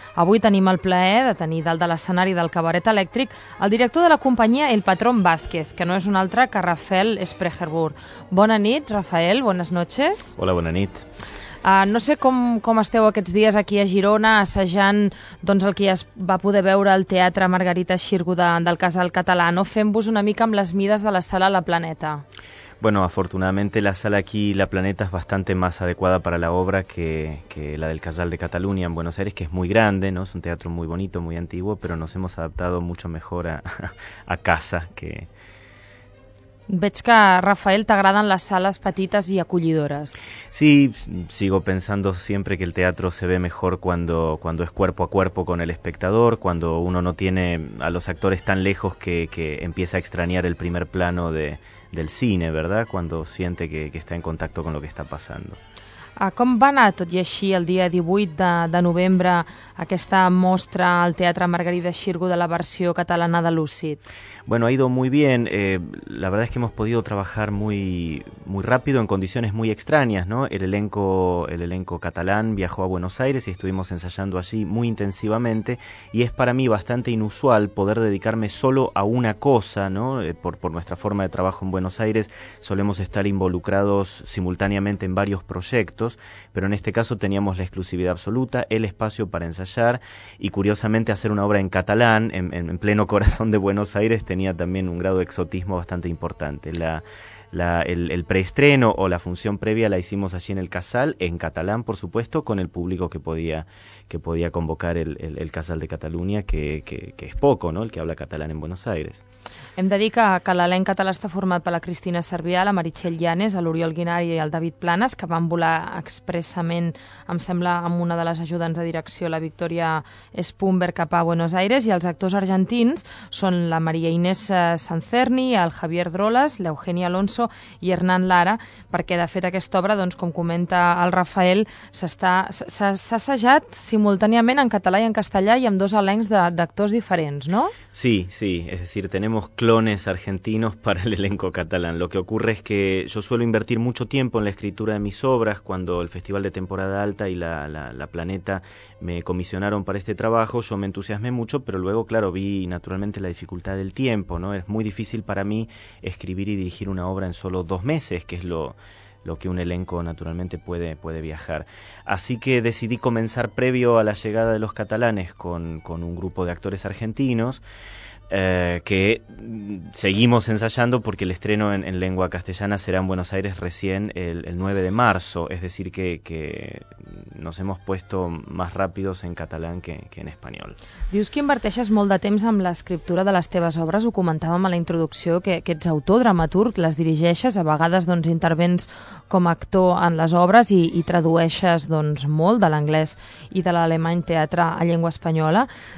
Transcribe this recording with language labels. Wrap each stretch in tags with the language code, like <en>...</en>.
<ca>Avui tenim el plaer de tenir dalt de l'escenari del Cabaret Elèctric el director de la companyia El Patrón Vázquez, que no és un altre que Rafael Sprecherburg. Bona nit, Rafael,</ca> <es>buenas noches.</es> <ca>Hola, bona nit. No sé com esteu aquests dies aquí a Girona assajant el que ja es va poder veure al Teatre Margarita Xirgu del Casal Català, no? Fem-vos una mica amb les mides de la sala La Planeta.</ca> <es>Bueno, afortunadamente la sala aquí, La Planeta, es bastante más adecuada para la obra que la del Casal de Cataluña en Buenos Aires, que es muy grande, ¿no? Es un teatro muy bonito, muy antiguo, pero nos hemos adaptado mucho mejor a casa que...</es> <ca>Veig que, Rafael, t'agraden les sales petites i acollidores.</ca> <es>Sí, sigo pensando siempre que el teatro se ve mejor cuando es cuerpo a cuerpo con el espectador, cuando uno no tiene a los actores tan lejos que empieza a extrañar el primer plano del cine, ¿verdad? Cuando siente que está en contacto con lo que está pasando.</es> <ca>Com va anar, tot i així, el dia 18 de novembre, aquesta mostra al Teatre Margarida Xirgu de la versió catalana de Lúcid?</ca> <es>Bueno, ha ido muy bien. La verdad es que hemos podido trabajar muy, muy rápido, en condiciones muy extrañas, ¿no? El elenco catalán viajó a Buenos Aires y estuvimos ensayando allí muy intensivamente, y es para mí bastante inusual poder dedicarme solo a una cosa, ¿no? Por nuestra forma de trabajo en Buenos Aires, solemos estar involucrados simultáneamente en varios proyectos, pero en este caso teníamos la exclusividad absoluta, el espacio para ensayar y, curiosamente, hacer una obra en catalán, en pleno corazón de Buenos Aires, tenía también un grado de exotismo bastante importante. El preestreno o la función previa la hicimos allí en el Casal, en catalán, por supuesto, con el público que podía convocar el Casal de Cataluña, que es poco, ¿no?, el que habla catalán en Buenos Aires. Hem de dir que l'elenc català està format per la Cristina Cervià, la Meritxell Llanes, l'Oriol Guinari i el David Planes, que van volar expressament, em sembla, amb una de les ajudants de direcció, la Victoria Spumber, cap a Buenos Aires, i els actors argentins són la Maria Inés Sancerni, el Javier Droles, l'Eugeni Alonso i Hernán Lara, perquè, de fet, aquesta obra, com comenta el Rafael, s'ha assajat simultàniament en català i en castellà i amb dos elencs d'actors diferents, no? Sí, sí, es decir, tenemos clones argentinos para el elenco catalán. Lo que ocurre es que yo suelo invertir mucho tiempo en la escritura de mis obras. Cuando el Festival de Temporada Alta y la Planeta me comisionaron para este trabajo, yo me entusiasmé mucho, pero luego, claro, vi naturalmente la dificultad del tiempo, ¿no? Es muy difícil para mí escribir y dirigir una obra en solo 2 meses, que es lo que un elenco naturalmente puede viajar. Así que decidí comenzar previo a la llegada de los catalanes con un grupo de actores argentinos, que seguimos ensayando porque el estreno en lengua castellana será en Buenos Aires recién el 9 de marzo, es decir que nos hemos puesto más rápidos en catalán que en español.</es> <ca>Dius que inverteixes molt de temps amb l'escriptura de les teves obres, ho comentàvem a la introducció, que ets autor, dramaturg, les dirigeixes, a vegades intervens com a actor en les obres i tradueixes molt de l'anglès i de l'alemany teatre a llengua espanyola.</ca>